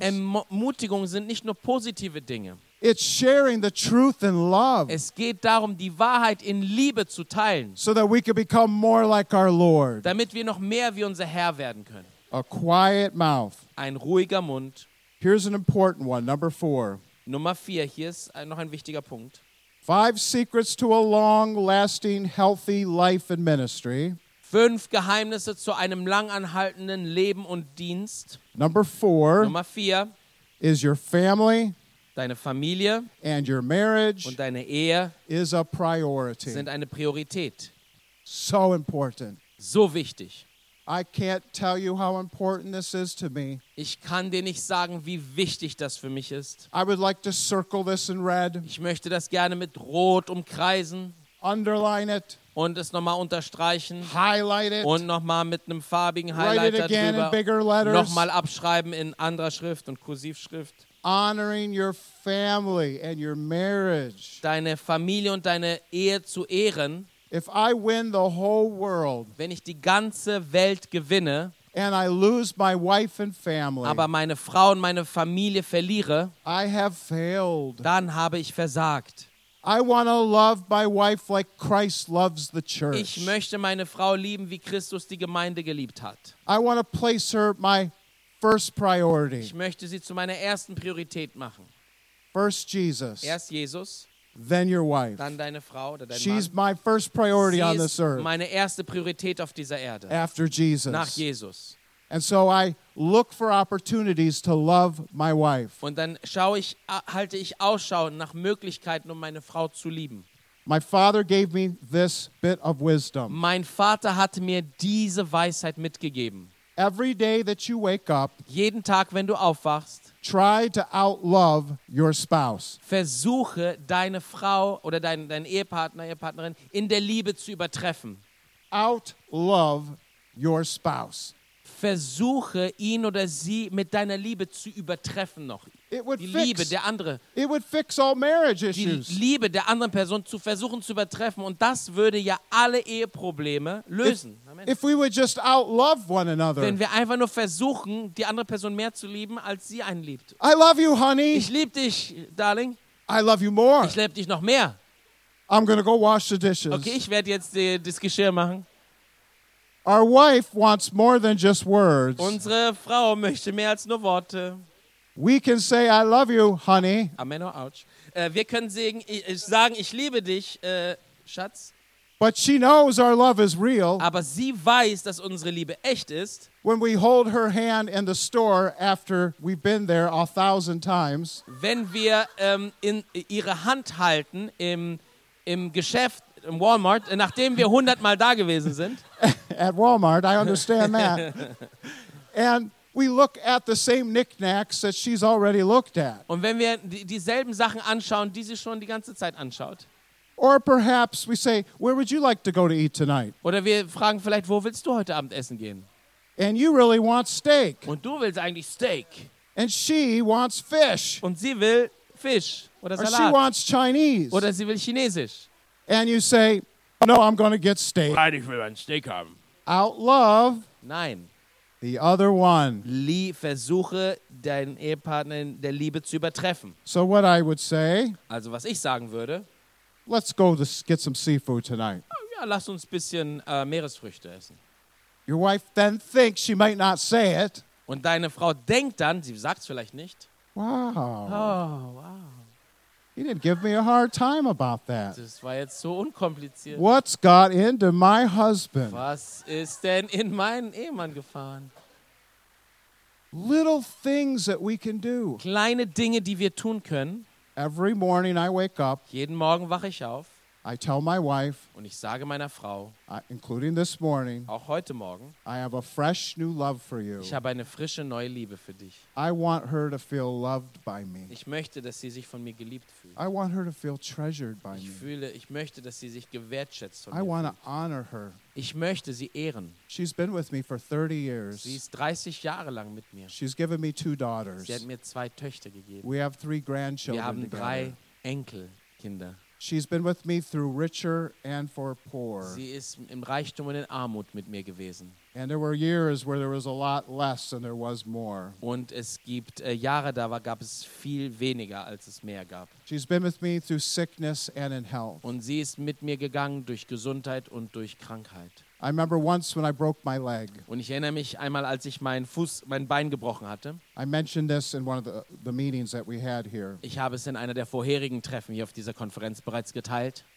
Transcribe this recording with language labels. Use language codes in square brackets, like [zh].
[de] Ermutigung sind nicht nur positive Dinge. [en] It's sharing the truth in love. [de] Es geht darum, die Wahrheit in Liebe zu teilen. [en] So that we can become more like our Lord. [de] Damit wir noch mehr wie unser Herr werden können. [en] A quiet mouth. [de] Ein ruhiger Mund. [en] Here's an important one, number four. [de] Nummer vier, hier ist noch ein wichtiger Punkt. [en] Five secrets to a long-lasting, healthy life and ministry. [de] Fünf Geheimnisse zu einem langanhaltenden Leben und Dienst. [en] Number four. [de] Nummer vier. [en] Is your family. [de] Deine Familie [en] and your marriage [de] und deine Ehe [en] is a priority. [de] Sind eine Priorität. [en] So important. [de] So wichtig. [en] I can't tell you how important this is to me. [de] Ich kann dir nicht sagen, wie wichtig das für mich ist. [en] I would like to circle this in red. [de] Ich möchte das gerne mit Rot umkreisen. [en] Underline it. [de] und es nochmal unterstreichen, [en] highlight it, [de] und nochmal mit einem farbigen Highlighter [en] write it again [de] drüber, [en] in bigger letters, [de] nochmal abschreiben in anderer Schrift und Kursivschrift. [en] Honoring your family and your marriage. [de] Deine Familie und deine Ehe zu ehren. [en] If I win the whole world, [de] wenn ich die ganze Welt gewinne, [en] and I lose my wife and family, [de] aber meine Frau und meine Familie verliere, [en] I have failed. [de] Dann habe ich versagt. [en] I want to love my wife like Christ loves the church. [de] Ich möchte meine Frau lieben, wie Christus die Gemeinde geliebt hat. [en] I want to place her my first priority. [de] Ich möchte sie zu meiner ersten Priorität machen. [en] First Jesus. [de] Erst Jesus. [en] Then your wife. [de] Dann deine Frau oder dein Mann. [en] She's my first priority on this earth. [de] Meine erste Priorität auf dieser Erde. [en] After Jesus. [de] Nach Jesus. [en] And so I look for opportunities to love my wife. [de] Und dann schaue ich, halte ich Ausschau nach Möglichkeiten, um meine Frau zu lieben. [en] My father gave me this bit of wisdom. [de] Mein Vater hat mir diese Weisheit mitgegeben. [en] Every day that you wake up, [de] jeden Tag, wenn du aufwachst, [en] try to outlove your spouse. [de] Versuche deine Frau oder dein Ehepartner, Ehepartnerin in der Liebe zu übertreffen. [en] Outlove your spouse. [de] Versuche ihn oder sie mit deiner Liebe zu übertreffen noch. [en] It would fix all marriage issues. [de] Die Liebe der anderen Person zu versuchen zu übertreffen, und das würde ja alle Eheprobleme lösen. [en] If we would just outlove one another. [de] Wenn wir einfach nur versuchen, die andere Person mehr zu lieben, als sie einen liebt. [en] I love you, honey. [de] Ich liebe dich, darling. [en] I love you more. [de] Ich liebe dich noch mehr. [en] I'm gonna go wash the dishes. [de] Okay, ich werde jetzt das Geschirr machen. [en] Our wife wants more than just words. [de] Unsere Frau möchte mehr als nur Worte. [en] We can say I love you, honey. Amen or ouch. [de] Wir können sagen, ich liebe dich, Schatz. [en] But she knows our love is real. [de] Aber sie weiß, dass unsere Liebe echt ist. [en] When we hold her hand in the store after we've been there 1,000 times. [de] Wenn wir in ihre Hand halten im Geschäft, im Walmart, nachdem wir 100-mal da gewesen sind. [en] At Walmart, I understand that. And we look at the same knickknacks that she's already looked at. [de] Und wenn wir dieselben Sachen anschauen, die sie schon die ganze Zeit anschaut. [en] Or perhaps we say, where would you like to go to eat tonight? [de] Oder wir fragen vielleicht, wo willst du heute Abend essen gehen? [en] And you really want steak. [de] Und du willst eigentlich Steak. [en] And she wants fish. [de] Und sie will Fisch oder Salat. [en] Or she wants Chinese. [de] Oder sie will Chinesisch. [en] And you say, no, I'm going to get steak. [de] Nein, ich will ein Steak haben. [en] Outlove. [de] Nein. [en] The other one. [de] Versuche deinen Ehepartner in der Liebe zu übertreffen. [en] So what I would say. [de] Also was ich sagen würde. [en] Let's go to get some seafood tonight. [de] Ja, lass uns bisschen Meeresfrüchte essen. [en] Your wife then thinks she might not say it. [de] Und deine Frau denkt dann, sie sagt's vielleicht nicht. [en] Wow. [de] Oh, wow. [en] He didn't give me a hard time about that. [de] Das war jetzt so unkompliziert. [en] What's got into my husband? [de] Was ist denn in meinen Ehemann gefahren? [en] Little things that we can do. [de] Kleine Dinge, die wir tun können. [en] Every morning I wake up. [de] Jeden Morgen wache ich auf. [en] I tell my wife. [de] Und ich sage meiner Frau. [en] Including this morning. [de] Auch heute Morgen. [en] I have a fresh new love for you. [de] Ich habe eine frische neue Liebe für dich. [en] I want her to feel loved by me. [de] Ich möchte, dass sie sich von mir geliebt fühlt. [en] I want her to feel treasured by me. [de] Ich möchte, dass sie sich gewertschätzt von mir. [en] I want to honor her. [de] Ich möchte sie ehren. [en] She's been with me for 30 years. [de] Sie ist 30 Jahre lang mit mir. [en] She's given me 2 daughters. [de] Sie hat mir 2 Töchter gegeben. [en] We have 3 grandchildren. [de] Wir haben 3 Enkelkinder. [en] She's been with me through richer and for poor. [de] Sie ist im Reichtum und in Armut mit mir gewesen. [en] And there were years where there was a lot less and there was more. [de] Und es gibt Jahre, da gab es viel weniger, als es mehr gab. [en] She's been with me through sickness and in health. [de] Und sie ist mit mir gegangen durch Gesundheit und durch Krankheit. [en] I remember once when I broke my leg. [de] Und ich erinnere mich einmal, als ich mein Bein gebrochen hatte. [en] I mentioned this in one of the meetings that we had here. [de] Ich habe es in einer der vorherigen Treffen hier auf dieser Konferenz bereits geteilt.